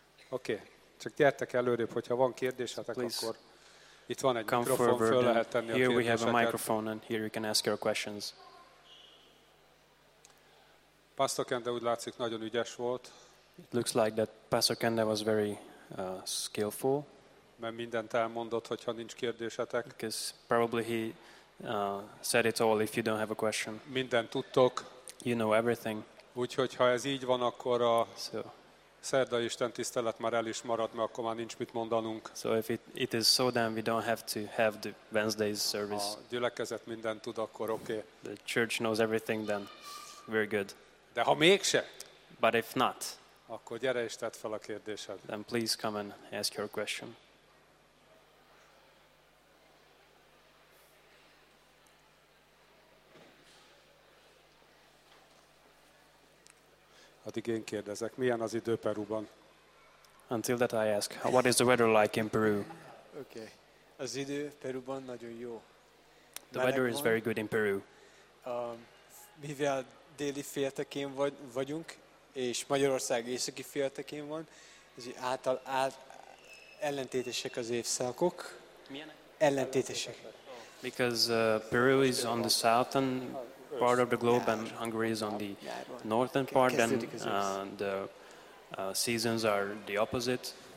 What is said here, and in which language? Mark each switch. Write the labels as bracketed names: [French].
[Hungarian] Oké, csak gyertek előrébb, hogyha van kérdésetek, akkor itt van egy mikrofon, föl lehet tenni a kérdéseket. [English] Here we have a microphone and here you can ask your questions. [Hungarian] Pastor Kende úgy látszik nagyon ügyes volt. [English] It looks like that Pastor Kende was very skillful. [Hungarian] Mert mindent elmondott, hogyha nincs kérdésetek. [English] Because probably he said it all if you don't have a question. [Hungarian] Mindent tudtok. [English] You know everything. [Hungarian] Úgyhogy ha ez így van, akkor a szerda Isten tisztelet már el is marad, mert akkor már nincs mit mondanunk. [English] So if it is so, then we don't have to have the Wednesday's service. [Hungarian] A gyülekezet mindent tud, akkor oké. [English] The church knows everything, then we're good. [Hungarian] De ha mégse? [English] But if not, [Hungarian] akkor gyere és tedd fel a kérdésed. [English] Then please come and ask your question. [Hungarian] Addig én kérdezek, milyen az idő Perúban? [English] Until that I ask, what is the weather like in Peru? Okay. [Hungarian] Az idő Perúban nagyon jó. [English] The weather is very good in Peru. [Hungarian] Mivel déli féltekén vagyunk, és Magyarország északi féltekén van, ez által ellentétesek az évszakok. Milyenek? Ellentétesek. [English] Because Peru is on the southern part of the globe and Hungary is on the northern part, and the seasons are the opposite.